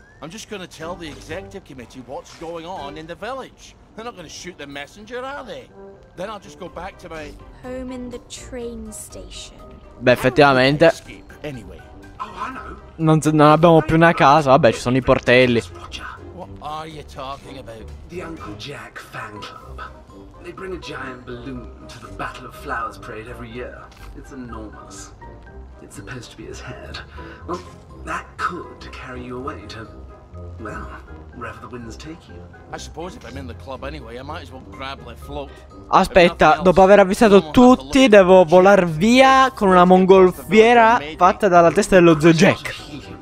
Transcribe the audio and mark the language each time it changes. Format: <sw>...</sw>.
<en>I'm just gonna tell the executive committee what's going on in the village. They're not gonna shoot the messenger, are they? Then I'll just go back to my home in the train station.</en> <it>Beh, effettivamente. Anyway. Non abbiamo più una casa, vabbè, ci sono i portelli.</it> <en>Are you talking about the Uncle Jack fan club? They bring a giant balloon to the Battle of Flowers parade every year. It's enormous. It's supposed to be his head. Well, that could carry you away to, well, wherever the winds take you. I suppose if I'm in the club anyway, I might as well grab the float.</en> <it>Aspetta, dopo aver avvisato tutti, devo volar via con una mongolfiera fatta dalla testa dello zio Jack.</it>